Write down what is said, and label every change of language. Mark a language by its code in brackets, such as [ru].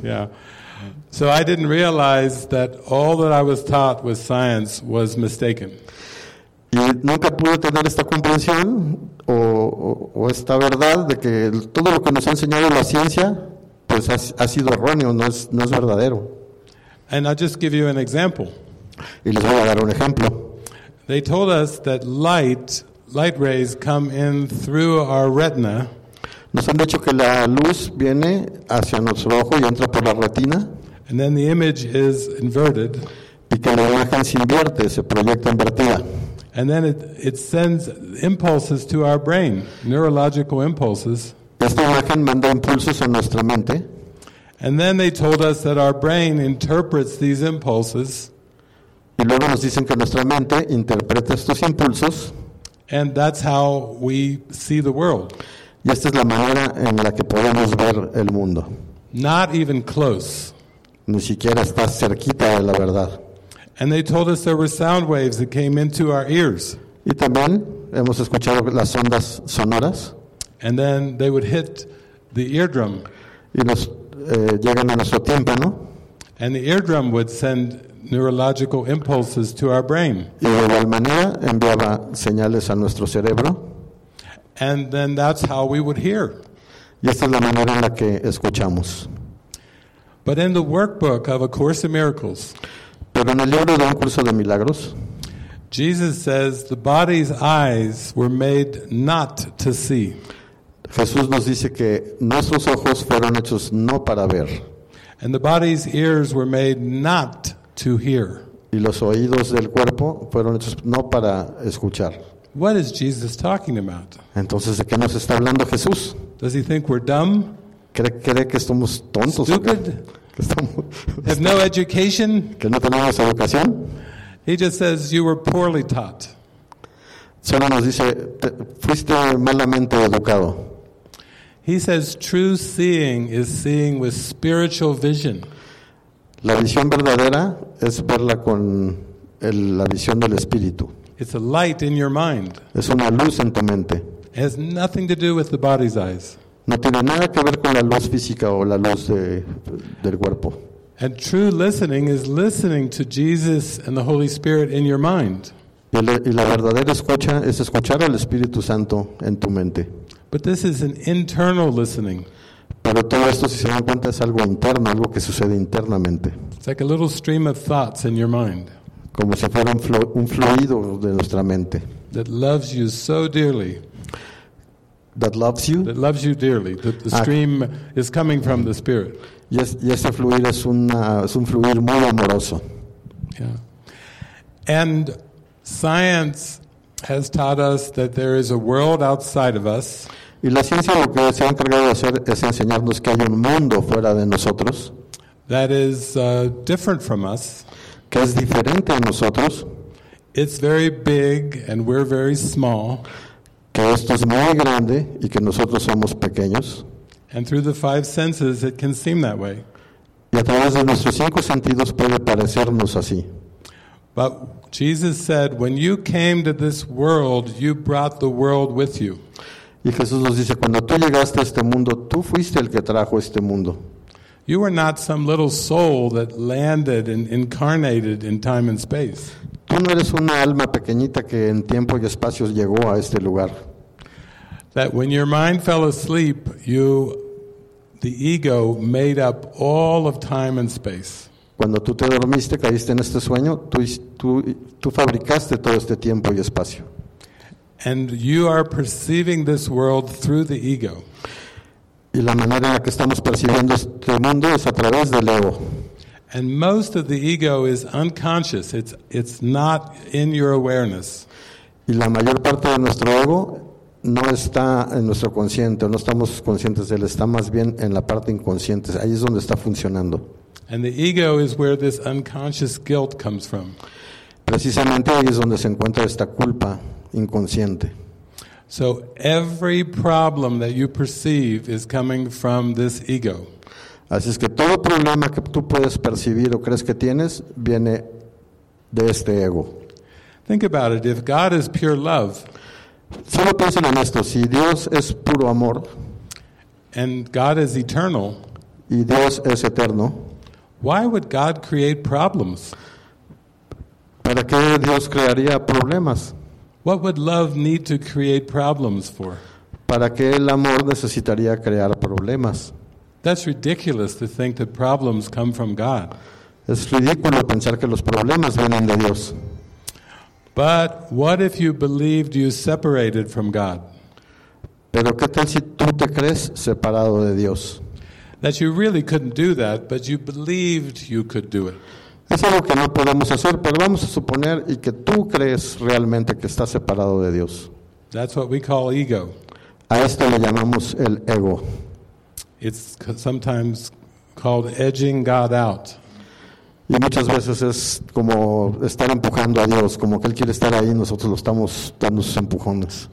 [en] Yeah. So I didn't realize that all that I was taught with science was mistaken. [es] Y nunca pude tener esta comprensión o esta verdad de que todo lo que nos ha enseñado la ciencia pues ha sido erróneo, no es verdadero. [en] And I'll just give you an example. [es] Y les voy a dar un ejemplo. [en] They told us that light rays come in through our retina. [es] Nos han dicho que la luz viene hacia nuestro ojo y entra por la retina. [en] And then the image is inverted. [es] Y que la imagen se invierte, se proyecta invertida. [en] And then it sends impulses to our brain, neurological impulses. [es] Esta imagen manda impulsos a nuestra mente. [en] And then they told us that our brain interprets these impulses. [es] Y luego nos dicen que nuestra mente interpreta estos impulsos. [en] And that's how we see the world. [es] Y esta es la manera en la que podemos ver el mundo. [en] Not even close. [es] Ni siquiera está cerquita de la verdad. [en] And they told us there were sound waves that came into our ears. [es] Y también hemos escuchado las ondas sonoras. [en] And then they would hit the eardrum. [es] Y nos llegan a nuestro tímpano. [en] And the eardrum would send neurological impulses to our brain. [es] Y de igual manera enviaba señales a nuestro cerebro. [en] And then that's how we would hear. [es] Y esta es la manera en la que escuchamos. [en] But in the workbook of A Course in Miracles, [es] pero en el libro de Un Curso de Milagros, [en] Jesus says the body's eyes were made not to see. [es] Jesús nos dice que nuestros ojos fueron hechos no para ver. [en] And the body's ears were made not to hear. [es] Y los oídos del cuerpo fueron hechos no para escuchar. [en] What is Jesus talking about? [es] Entonces, ¿de qué nos está hablando Jesús? [en] Does he think we're dumb? [es] ¿Cree que estamos tontos? [en] Stupid? Have no education. [es] Que no tenemos educación. [en] He just says you were poorly taught. [es] Solo nos dice fuiste malamente educado. [en] He says true seeing is seeing with spiritual vision. [es] La visión verdadera es verla con la visión del espíritu. [en] It's a light in your mind. [es] Es una luz en tu mente. [en] It has nothing to do with the body's eyes. [es] No tiene nada que ver con la luz física o la luz del cuerpo. [en] And true listening is listening to Jesus and the Holy Spirit in your mind. [es] Y la verdadera escucha es escuchar al Espíritu Santo en tu mente. [en] But this is an internal listening. [es] Pero todo esto, si se dan cuenta, es algo interno, algo que sucede internamente. [en] It's like a little stream of thoughts in your mind. [es] como si fuera un fluido de nuestra mente. [en] That loves you so dearly. That loves you. That loves you dearly. That the stream is coming from the Spirit. [es] Y ese fluir es un fluir muy amoroso. [en] Yeah. And science has taught us that there is a world outside of us. [es] Y la ciencia lo que se ha encargado de hacer es enseñarnos que hay un mundo fuera de nosotros. [en] That is different from us. [es] Que es diferente a nosotros. [en] It's very big and we're very small. [es] Que esto es muy grande y que nosotros somos pequeños. [en] And through the five senses it can seem that way. [es] Y a través de nuestros cinco sentidos puede parecernos así. [en] But Jesus said, when you came to this world, you brought the world with you. [es] Y Jesús nos dice, cuando tú llegaste a este mundo, tú fuiste el que trajo este mundo. [en] You were not some little soul that landed and incarnated in time and space. [es] Tú no eres una alma pequeñita que en tiempo y espacios llegó a este lugar. [en] That when your mind fell asleep, the ego made up all of time and space. [es] Cuando tú te dormiste, caíste en este sueño, tú fabricaste todo este tiempo y espacio. [en] And you are perceiving this world through the ego. [es] Y la manera en la que estamos percibiendo este mundo es a través del ego. [en] And most of the ego is unconscious. It's not in your awareness. [es] Y la mayor parte de nuestro ego no está en nuestro consciente, no estamos conscientes de él, está más bien en la parte inconsciente. Ahí es donde está funcionando. [en] And the ego is where this unconscious guilt comes from. [es] Precisamente ahí es donde se encuentra esta culpa inconsciente. [en] So every problem that you perceive is coming from this ego. [es] Así es que todo problema que tú puedes percibir o crees que tienes viene de este ego. [en] Think about it. If God is pure love, [es] solo piensen en esto. Si Dios es puro amor, [en] and God is eternal, [es] y Dios es eterno, [en] why would God create problems? [es] ¿Para qué Dios crearía problemas? [en] What would love need to create problems for? [es] ¿Para qué el amor necesitaría crear problemas? [en] That's ridiculous to think that problems come from God. [es] Es ridículo pensar que los problemas vienen de Dios. [en] But what if you believed you separated from God? [es] ¿Pero qué tal si tú te crees separado de Dios? [en] That you really couldn't do that, but you believed you could do it. [es] Es algo que no podemos hacer, pero vamos a suponer y que tú crees realmente que estás separado de Dios. [en] That's what we call ego. [es] A esto le llamamos el ego. [en] It's sometimes called edging God out. [es] Y muchas veces es como estar empujando a Dios, como que Él quiere estar ahí y nosotros lo estamos dando sus empujones.